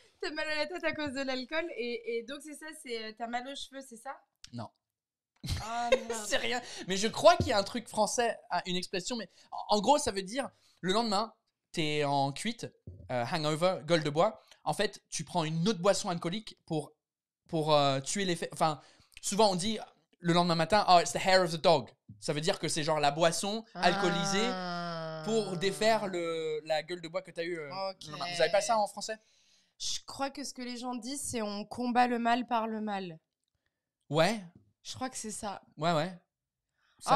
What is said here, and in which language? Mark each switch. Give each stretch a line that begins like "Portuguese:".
French: T'as mal à la tête à cause de l'alcool. Et donc, c'est ça, c'est, t'as mal aux cheveux, c'est ça? Non. Oh, c'est rien. Mais je crois qu'il y a un truc français, une expression. Mais en gros, ça veut dire, le lendemain, t'es en cuite, hangover, gueule de bois. En fait, tu prends une autre boisson alcoolique pour tuer l'effet. Enfin, souvent, on dit... Le lendemain matin,
English: oh, it's the hair of the dog.
French: Ça veut dire que c'est genre la boisson alcoolisée pour défaire la gueule de bois que t'as eu. Okay. Vous avez pas ça en français? Je crois que ce que les gens disent, c'est on combat le mal par le mal. Ouais. Je crois que c'est ça. Ouais, ouais. Ça,